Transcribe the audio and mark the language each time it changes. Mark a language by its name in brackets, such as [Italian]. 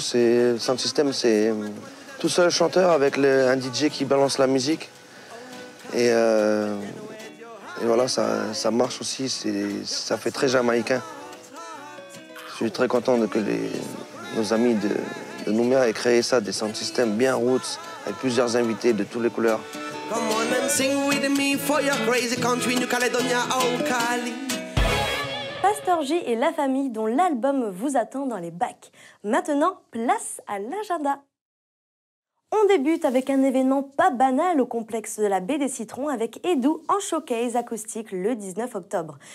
[French] C'est sound system, c'est tout seul chanteur avec un DJ qui balance la musique. Et voilà, ça marche aussi, ça fait très jamaïcain. Je suis très content que nos amis de Nouméa aient créé ça, des sound system bien roots, avec plusieurs invités de toutes les couleurs. [English] Come on and sing with me for your crazy country, New Caledonia, Ocali. [French] Pasteur J et la famille dont l'album vous attend dans les bacs. Maintenant, place à l'agenda. On débute avec un événement pas banal au complexe de la Baie des Citrons avec Edou en showcase acoustique le 19 octobre.